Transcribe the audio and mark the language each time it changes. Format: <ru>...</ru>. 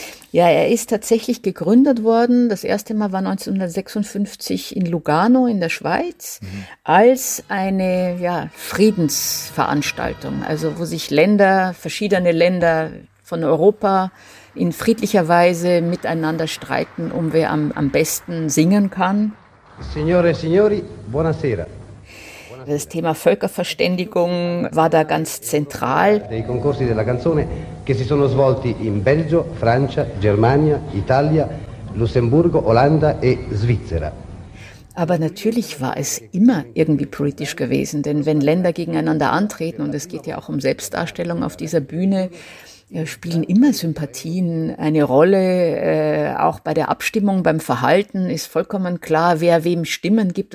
<de>Ja, er ist tatsächlich gegründet worden. Das erste Mal war 1956 in Lugano in der Schweiz als eine Friedensveranstaltung, also wo sich Länder, verschiedene Länder von Europa in friedlicher Weise miteinander streiten, um wer am besten singen kann.</de> <it>Signore e signori, buonasera.</it> <de>Das Thema Völkerverständigung war da ganz zentral.</de> <it>Dei concorsi della canzone che si sono svolti in Belgio, Francia, Germania, Italia, Lussemburgo, Olanda e Svizzera.</it> <de>Aber natürlich war es immer irgendwie politisch gewesen, denn wenn Länder gegeneinander antreten und es geht ja auch um Selbstdarstellung auf dieser Bühne, spielen immer Sympathien eine Rolle, auch bei der Abstimmung, beim Verhalten ist vollkommen klar, wer wem Stimmen gibt.</de>